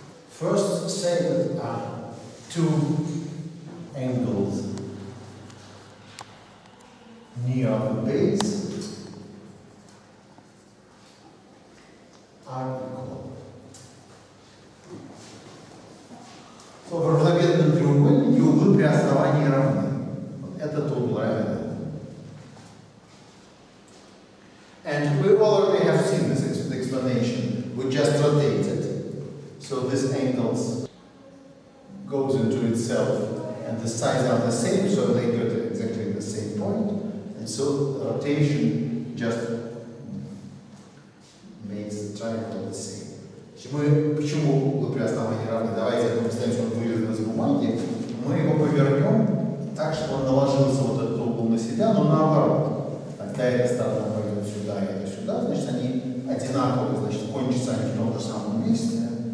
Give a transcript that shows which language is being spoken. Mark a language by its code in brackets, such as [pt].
[en] First, say that two angles near the base are equal. [ru] So, в равномерном треугольнике углы при основании равны. Этот угол равен. [en] And we already have seen this explanation. We just rotated. So this angle goes into itself and the sides are the same, so they go to exactly the same point. And so the rotation just makes the triangle the same. [ru] Почему углы при основании равны? Давайте мы представим, что он вырезан из бумаги. Мы его повернем так, чтобы он наложился вот этот угол на себя, но наоборот. Тогда эта сторона пойдет сюда и сюда. Значит, они одинаковые, значит, кончатся они в том же самом месте.